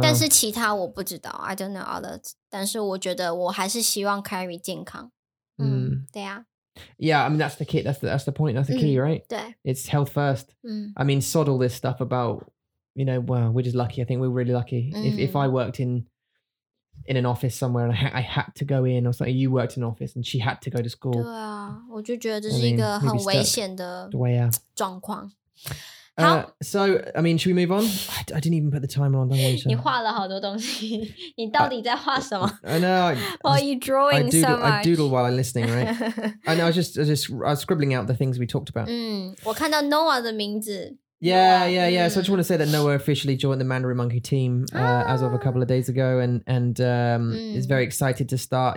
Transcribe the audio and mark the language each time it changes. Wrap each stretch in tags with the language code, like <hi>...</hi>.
<zh>但是其他我不知道 ，</zh> <en>I don't know others.</en> <zh>但是我觉得我还是希望 Carrie 健康。对啊。</zh> <en>Yeah, I mean, that's the key. That's the point. That's the key,、right?</en> <zh>对。</zh> <en>It's health first.、I mean, sod all this stuff about, you know, well, we're just lucky. I think we're really lucky.、If I worked in an office somewhere and I had to go in or something. You worked in an office and she had to go to school.</en> <zh>对啊，我就觉得这是一个很危险的状况。</zh> <en>So, I mean, should we move on? I didn't even put the timer on, don't worry.</en> <zh>你画了好多东西，你到底在画什么？</zh> <en>I know. Why are you drawing so much? I doodle while I'm listening, right? I know, I was scribbling out the things we talked about.</en> <zh>我看到 Noah 的名字。</zh> <en>Yeah, yeah, yeah. So I just want to say that Noah officially joined the Mandarin Monkey team as of a couple of days ago and is very excited to start.</en>